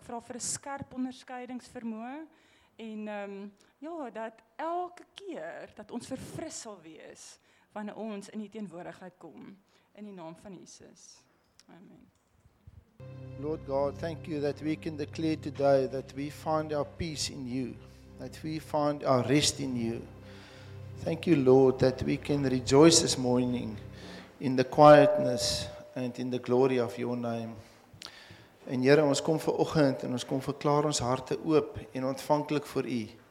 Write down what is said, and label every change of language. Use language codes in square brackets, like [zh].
[af] Ek vra vir 'n skerp onderskeidingsvermoë, en ja, dat elke keer dat ons verfris sal wees, wanneer ons in die teenwoordigheid kom, in die naam van Jesus. Amen. [en] Lord God, thank you that we can declare today that we find our peace in you, that we find our rest in you. Thank you, Lord, that we can rejoice this morning in the quietness and in the glory of your name. [af] En Here, ons kom vanoggend en ons kom verklaar ons harte oop en ontvanklik voor U.